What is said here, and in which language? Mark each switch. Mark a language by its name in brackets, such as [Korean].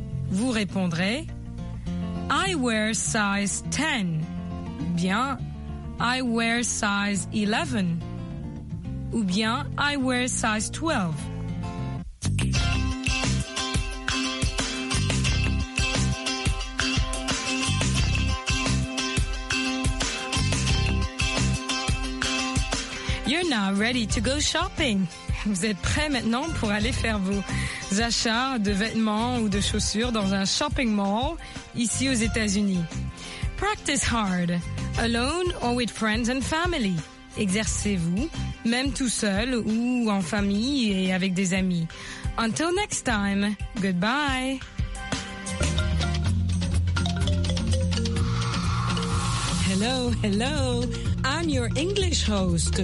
[French] Vous répondrez [English] « I wear size 10. » [French] Bien [English] « I wear size 11. » [French] Ou bien [English] « I wear size 12. » You're now ready to go shopping. [French] Vous êtes prêt maintenant pour aller faire vos achats de vêtements ou de chaussures dans un shopping mall ici aux États-Unis. [English] Practice hard, alone or with friends and family. [French] Exercez-vous, même tout seul ou en famille et avec des amis. [English] Until next time, goodbye. Hello, hello. I'm your English host.